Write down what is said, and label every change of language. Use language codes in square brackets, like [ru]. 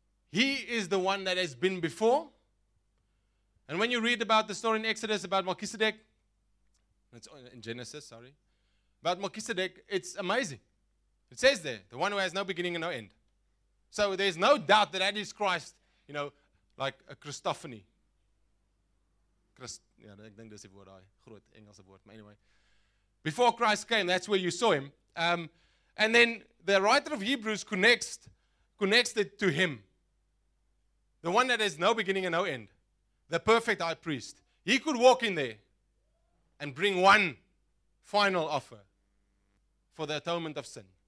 [en] He is the one that has been before. And when you read about the story in Exodus about Melchizedek, it's in Genesis, sorry. But Melchizedek, it's amazing. It says there, the one who has no beginning and no end. So there's no doubt that that is Christ, you know, like a Christophany. [af] Ek dink dis die woord, die groot Engelse woord, [en] but anyway. Before Christ came, that's where you saw him. And then the writer of Hebrews connects it to him. The one that has no beginning and no end. The perfect high priest. He could walk in there and bring one final offer for the atonement of sin.